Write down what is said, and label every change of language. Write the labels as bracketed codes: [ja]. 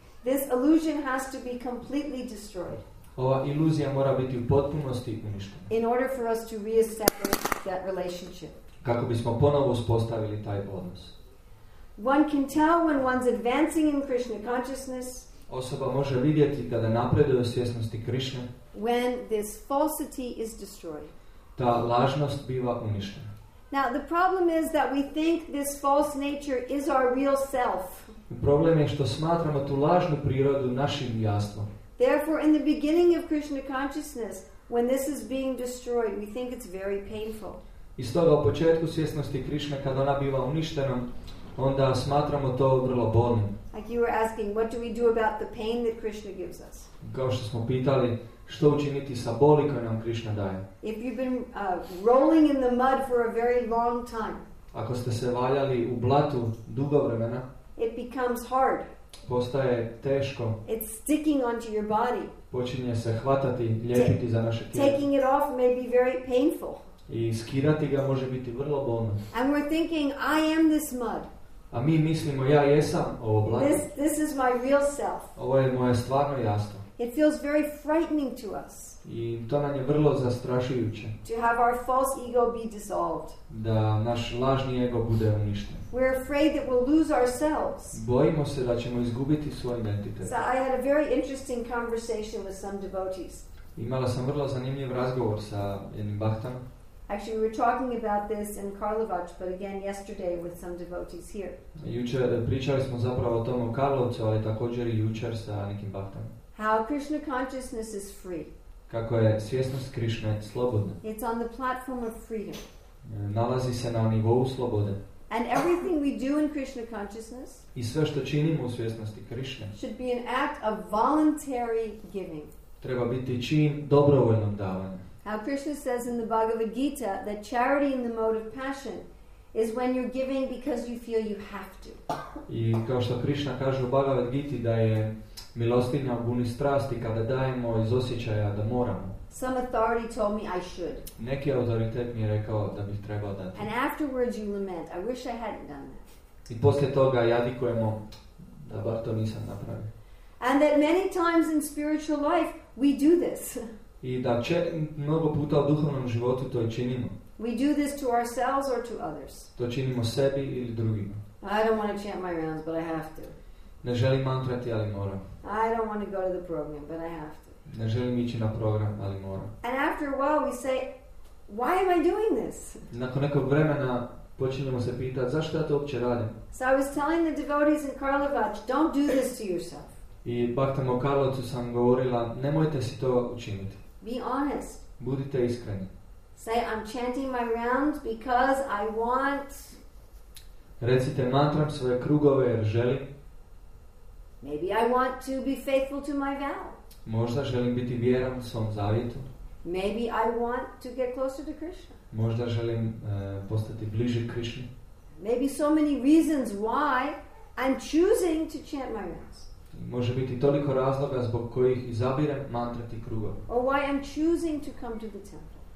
[en] This illusion has to be completely destroyed. [hr] Ova iluzija mora biti u potpunosti uništena. [en] In order for us to re-establish that relationship. [hr] Kako bismo ponovo uspostavili taj odnos. [en] One can tell when one's advancing in Krishna consciousness. [hr] Osoba može vidjeti kada napreduje u svjesnosti Krishne. [en] When this falsity is destroyed. [hr] Ta lažnost biva uništena. [en] Now the problem is that we think this false nature is our real self. [hr] Problem je što smatramo tu lažnu prirodu našim jastvom. [en] Therefore in the beginning of Krishna consciousness when this is being destroyed we think it's very painful. [hr] I stoga u početku svjesnosti Krishne kada ona biva uništena onda smatramo to vrlo bolnim. [en] Like you were asking what do we do about the pain that Krishna gives us? [hr] Kao što smo pitali što učiniti sa boli koju nam Krishna daje? [en] If you've been rolling in the mud for a very long time. [hr] Ako ste se valjali u blatu dugo vremena. [en] It becomes hard. [hr] Postaje teško. [en] It's sticking onto your body. [hr] Počinje se hvatati, lijepiti za naše tijelo. [en] Taking it off may be very painful. [hr] I skidati ga može biti vrlo bolno. [en] And we're thinking I am this mud. [hr] A mi mislimo ja jesam ovo blato. [en] This is my real self. [hr] Ovo je moje stvarno jastvo. [en] It feels very frightening to us. [hr] I to nam je vrlo zastrašujuće. [en] To have our false ego be dissolved. [hr] Da naš lažni ego bude uništen. [en] We're afraid that we'll lose ourselves. [hr] Bojimo se da ćemo izgubiti svoj identitet. [en] So I had a very interesting conversation with some devotees. [hr] Imala sam vrlo zanimljiv razgovor sa jednim bhaktom. [en] Actually, we were talking about this in Karlovac, but again yesterday with some devotees here. [hr] Jučer pričali smo zapravo o tom u Karlovcu, ali također i jučer sa nekim bhaktom. [en] How Krishna consciousness is free. [hr] Kako je svjesnost Krishne slobodna. [en] It's on the platform of freedom. [hr] Nalazi se na nivou slobode. [en] And everything we do in Krishna consciousness. [hr] I sve što činimo u svjesnosti Krishne. [en] Should be an act of voluntary giving. [hr] Treba biti čin dobrovoljnog davanja. [en] How Krishna says in the Bhagavad Gita that charity in the mode of passion is when you're giving because you feel you have to. [hr] I kao što Krishna kaže u Bhagavad Giti da je milostinja buni strasti kada dajemo iz osjećaja da moramo. [en] Some authority told me I should. [hr] Neki autoritet mi je rekao da bih trebao dati. [en] And afterwards you lament, I wish I hadn't done that. [hr] I poslije toga jadikujemo da bar to nisam napravio. [en] And that many times in spiritual life we do this. [hr] I da mnogo puta u duhovnom životu to i činimo. [en] We do this to ourselves or to others. [hr] To činimo sebi ili drugima. [en] I don't want to chant my rounds, but I have to. [hr] Ne želim mantrati, ali moram. [en] I don't want to go to the program, but I have to. [hr] Ne želim ići na program, ali moram. [en] And after a while we say, why am I doing this? [hr] Nakon nekog vremena počinjemo se pitati, zašto ja to uopće radim? [en] So I was telling the devotees in Karlovac, don't do this to yourself. [hr] I Bhaktama u Karlovcu sam govorila, nemojte si to učiniti. [en] Be honest. [hr] Budite iskreni. [en] Say, I'm chanting my rounds because I want... [hr] Recite, mantram svoje krugove jer želim. [en] Maybe I want to be faithful to my vow. [hr] Možda želim biti vjeran svom zavjetu. [en] Maybe I want to get closer to Krishna. [hr] Možda želim postati bliže Krishni. [en] Maybe so many reasons why I'm choosing to chant my rounds. [hr] Može biti toliko razloga zbog kojih izabirem mantrati krugove. [en] Or why I'm choosing to come to the temple.